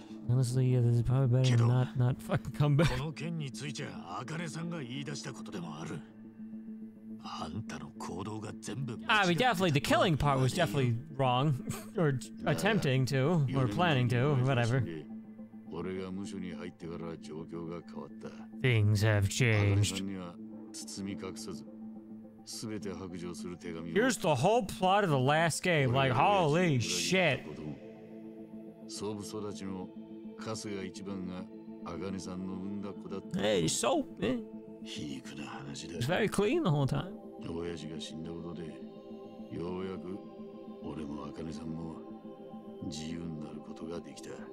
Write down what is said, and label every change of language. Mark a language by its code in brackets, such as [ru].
[en] Honestly, yeah, this is probably better than not fucking come back. [ja] この件については、アカネさんが言い出したことでもある。あんたの行動が全部間違ってた。 [en] I mean, definitely, the killing part was definitely wrong. or attempting to, or planning to, whatever. [ja] 俺が無所に入ってから状況が変わった。 [en] Things have changed. [ja] アカネさんには包み隠さず。全て白状する手紙。 [en] Here's the whole plot of the last game. Like, holy shit! [ja] 総武育ちの春日一番が茜さんの産んだ子だった。 [en] Hey, so, man. [ja] 皮肉な話だ。 [en] It's very clean the whole time. [ja] 親父が死んだことで、ようやく俺も茜さんも自由になることができた。